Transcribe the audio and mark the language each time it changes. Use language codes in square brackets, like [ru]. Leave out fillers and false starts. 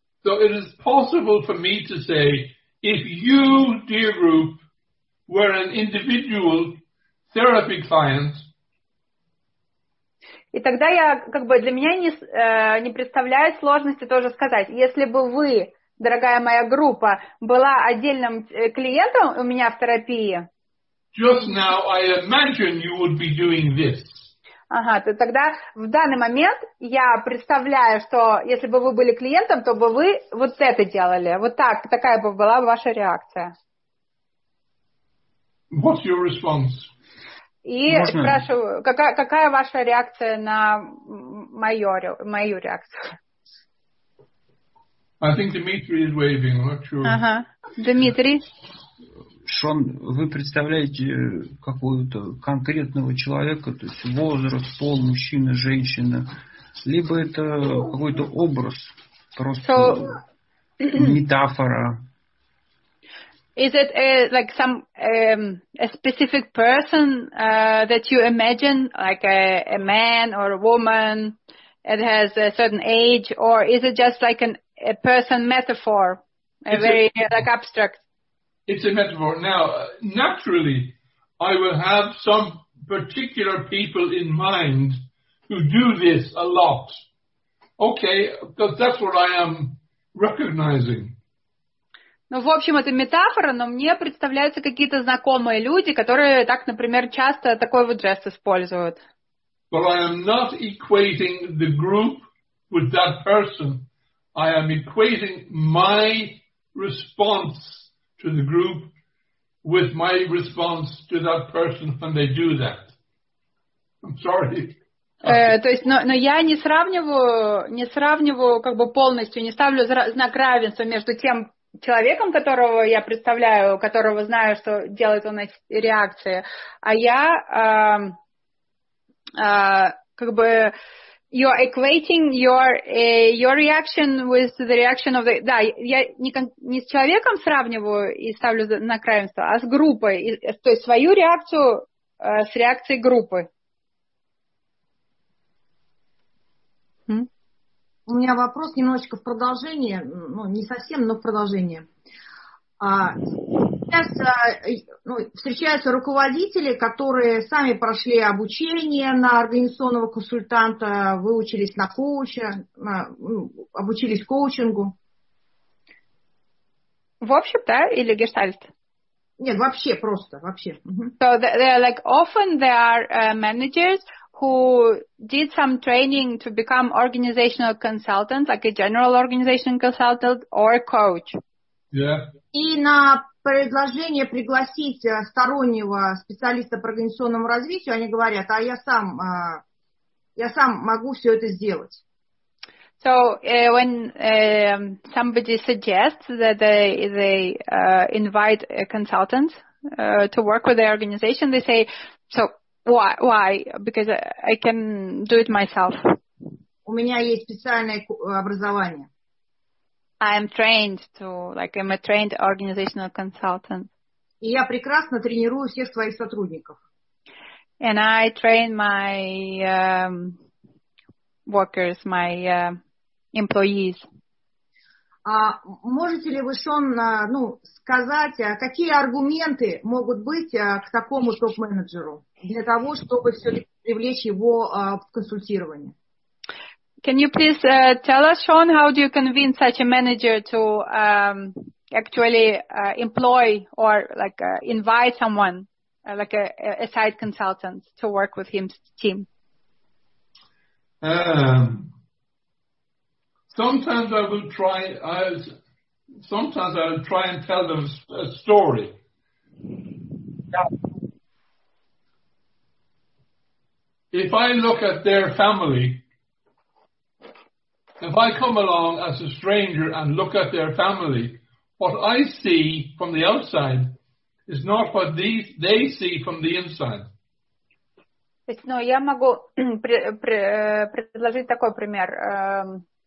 [en] So it is possible for me to say, if you, dear group, were an individual therapy client. [ru] И тогда я, как бы, для меня не представляет сложности тоже сказать. Если бы вы, дорогая моя группа, была отдельным клиентом у меня в терапии. [en] Just now I imagine you would be doing this. [ru] Ага, то тогда в данный момент я представляю, что если бы вы были клиентом, то бы вы вот это делали. Вот так, такая бы была ваша реакция. [en] What's your response? [ru] И спрашиваю, какая ваша реакция на мою реакцию? [en] I think Dmitry is waving, I'm not sure. [ru] Ага, Дмитрий. Шон, вы представляете какого-то конкретного человека, то есть возраст, пол, мужчина, женщина, либо это какой-то образ, просто метафора? [en] Is it a specific person that you imagine, like a man or a woman, that has a certain age, or is it just like a person metaphor, very abstract? It's a metaphor. Now, naturally, I will have some particular people in mind who do this a lot. Okay, because that's what I am recognizing. [ru] Ну, в общем, это метафора, но мне представляются какие-то знакомые люди, которые так, например, часто такой вот жест используют. [en] But I am not equating the group with that person. I am equating my response to the group with my response to that person when they do that. I'm sorry. [ru] То есть, но я не сравниваю как бы полностью, не ставлю знак равенства между тем, человеком, которого я представляю, которого знаю, что делает он эти реакции, а я как бы [en] you're equating your reaction with the reaction of the... [ru] Да, я не с человеком сравниваю и ставлю на равенство, а с группой, то есть свою реакцию с реакцией группы. У меня вопрос немножечко в продолжение, ну, не совсем, но в продолжение. Сейчас встречаются руководители, которые сами прошли обучение на организационного консультанта, выучились на коуча, обучились коучингу. В общем, да, или гештальт? Нет, вообще просто, вообще. [en] So they are like often they are managers who did some training to become organizational consultant, like a general organization consultant or a coach. Yeah. [ru] И на предложение пригласить стороннего специалиста по организационному развитию, они говорят, а я сам могу все это сделать. [en] So when somebody suggests that they invite a consultant to work with their organization, they say, so why? Because I can do it myself. [ru] У меня есть специальное образование. [en] I am trained to, like, I'm a trained organizational consultant. [ru] И я прекрасно тренирую всех своих сотрудников. [en] And I train my workers, my employees. [ru] Можете ли вы, Шон, сказать, какие аргументы могут быть к такому топ-менеджеру для того, чтобы все-таки привлечь его в консультирование? [en] Can you please tell us, Sean, how do you convince such a manager to actually employ or like invite someone, like a side consultant, to work with his team? Sometimes I will try and tell them a story. Yeah. If I look at their family. If I come along as a stranger and look at their family, what I see from the outside is not what they see from the inside. [ru] То есть, я могу предложить такой пример.